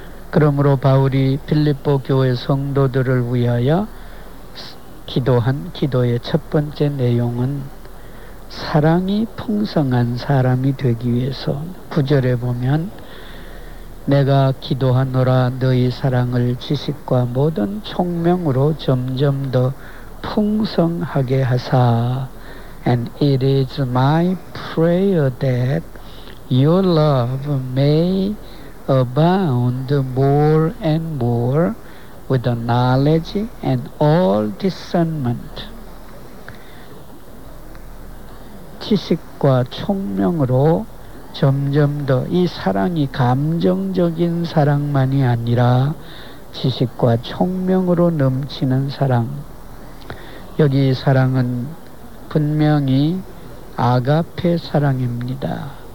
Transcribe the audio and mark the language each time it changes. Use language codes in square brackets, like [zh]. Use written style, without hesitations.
[ko] 그러므로 바울이 빌립보 교회 성도들을 위하여 기도한 기도의 첫 번째 내용은 사랑이 풍성한 사람이 되기 위해서, 9절에 보면 내가 기도하노라 너희 사랑을 지식과 모든 총명으로 점점 더 풍성하게 하사. [en] And it is my prayer that your love may abound more and more with the knowledge and all discernment. [ko] 지식과 총명으로 점점 더, 이 사랑이 감정적인 사랑만이 아니라 지식과 총명으로 넘치는 사랑, 여기 사랑은 분명히 아가페 사랑입니다.